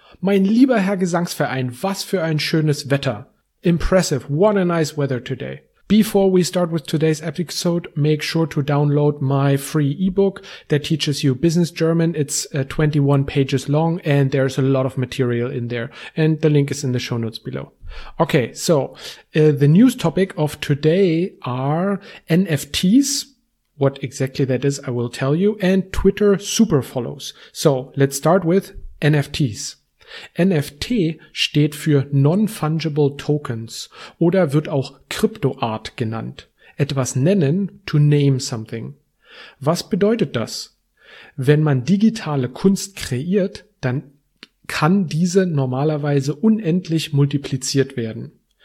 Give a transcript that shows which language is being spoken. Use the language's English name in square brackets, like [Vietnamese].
[German] Mein lieber Herr Gesangsverein, was für ein schönes Wetter. [English] Impressive. What a nice weather today. Before we start with today's episode, make sure to download my free ebook that teaches you business German. It's 21 pages long and there's a lot of material in there. And the link is in the show notes below. Okay, so the news topic of today are NFTs. What exactly that is, I will tell you. And Twitter super follows. So let's start with NFTs. [German] NFT steht für Non-Fungible Tokens oder wird auch Kryptoart genannt. Etwas nennen, [English] to name something. [German] Was bedeutet das? Wenn man digitale Kunst kreiert, dann kann diese normalerweise unendlich multipliziert werden.